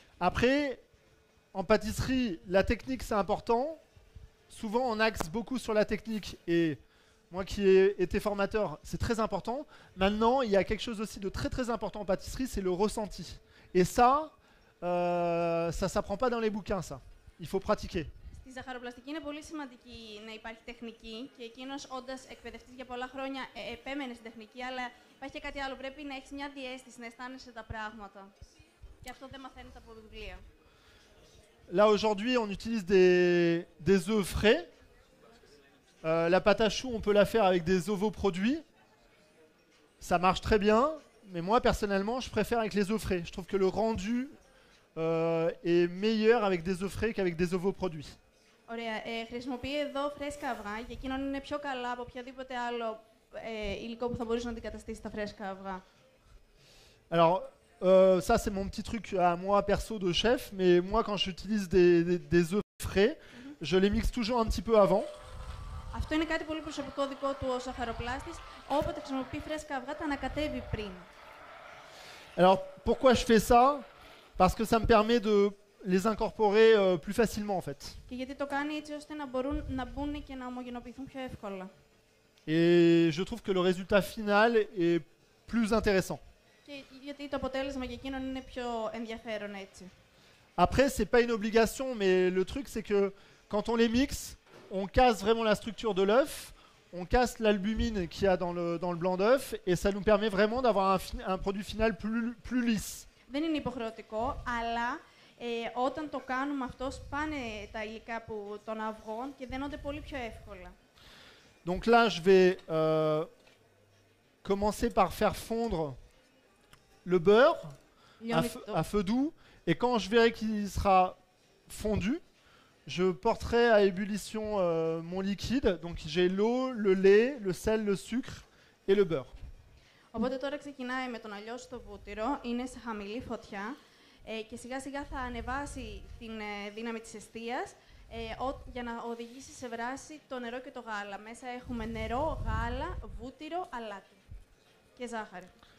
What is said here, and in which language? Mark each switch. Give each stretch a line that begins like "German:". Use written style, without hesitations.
French: Après, en pâtisserie, la technique, c'est important. souvent on axe beaucoup sur la technique et moi qui ai été formateur, c'est très important. Maintenant, il y a quelque chose aussi de très très important en pâtisserie, c'est le ressenti. Et ça, ça ne s'apprend pas dans les bouquins, ça. Il faut pratiquer.
Greek: Στη ζαχαροπλαστική είναι πολύ σημαντική να υπάρχει τεχνική και εκείνος όντας εκπαιδευτής για πολλά χρόνια επέμενε στην τεχνική, αλλά υπάρχει και κάτι άλλο. Πρέπει να έχεις μια διέστηση, να αισθάνεσαι τα πράγματα. Και αυτό δεν μαθαίνεται από βιβλία.
French: Là aujourd'hui, on utilise des œufs frais. La pâte à choux, on peut la faire avec des ovoproduits. Ça marche très bien. Mais moi, personnellement, je préfère avec les œufs frais. Je trouve que le rendu est meilleur avec des œufs frais qu'avec des ovoproduits.
Greek: Χρησιμοποιεί εδώ φρέσκα αυγά και εκείνον είναι πιο καλά από οποιοδήποτε άλλο υλικό που θα μπορούσε να αντικαταστήσει τα φρέσκα αυγά.
French: Alors, ça c'est mon petit truc à moi perso de chef, mais moi quand j'utilise des œufs frais, je les mixe toujours un petit peu avant.
Greek: Αυτό είναι κάτι πολύ προσωπικό δικό του ως ζαχαροπλάστης. Όποτε χρησιμοποιεί φρέσκα αυγά, τα ανακατεύει πριν.
French: Alors, pourquoi je fais ça? Parce que ça me permet de les incorporer plus facilement en fait.
Greek: Και γιατί το κάνει έτσι ώστε να μπορούν να μπουν και να ομογενοποιηθούν πιο εύκολα.
French: Et je trouve que le résultat final est plus intéressant.
Greek: Και γιατί το αποτέλεσμα για εκείνον είναι πιο ενδιαφέρον έτσι.
French: Après, c'est pas une obligation, mais le truc c'est que quand on les mixe, on casse vraiment la structure de l'œuf, on casse l'albumine qu'il y a dans le blanc d'œuf et ça nous permet vraiment d'avoir un produit final plus lisse.
Greek: Δεν είναι υποχρεωτικό, αλλά όταν το κάνουμε αυτό, σπάνε τα υλικά που των αυγών και δένονται πολύ πιο εύκολα.
French: Donc là, je vais commencer par faire fondre le beurre à feu doux. Et quand je verrai qu'il sera fondu, je porterai à ébullition mon liquide. Donc j'ai l'eau, le lait, le sel, le sucre et le beurre.
Greek: Οπότε τώρα ξεκινάει με τον αλλιώς στο βούτυρο, είναι σε χαμηλή φωτιά και σιγά σιγά θα ανεβάσει την δύναμη της εστίας για να οδηγήσει σε βράση το νερό και το γάλα. Μέσα έχουμε νερό, γάλα, βούτυρο, αλάτι και ζάχαρη.